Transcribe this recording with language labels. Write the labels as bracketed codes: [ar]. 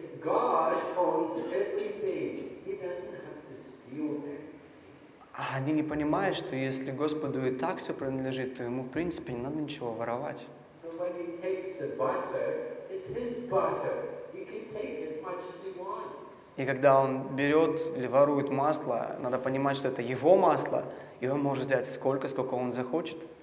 [ru] А они не понимают, что если Господу и так все принадлежит, то ему в принципе не надо ничего воровать. [en] So when he takes the butter, it's his butter. He can take as much as he wants. [ru] И когда он берет или ворует масло, надо понимать, что это его масло, и он может взять сколько он захочет.